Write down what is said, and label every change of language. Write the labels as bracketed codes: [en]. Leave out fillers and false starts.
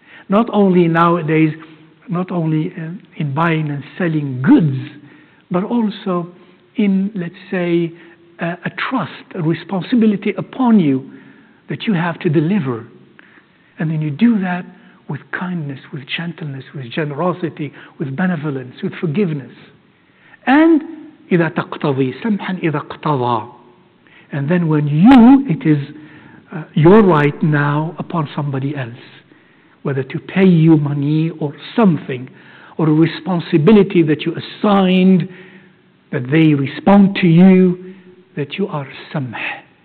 [en] Not only nowadays, not only in buying and selling goods, but also in, let's say, a trust, a responsibility upon you that you have to deliver, and then you do that with kindness, with gentleness, with generosity, with benevolence, with forgiveness. And [ar] إذا تقتضي سمحاً إذا اقتضى. [en] And then when it is your right now upon somebody else, whether to pay you money or something, or a responsibility that you assigned, that they respond to you, that you are سمح.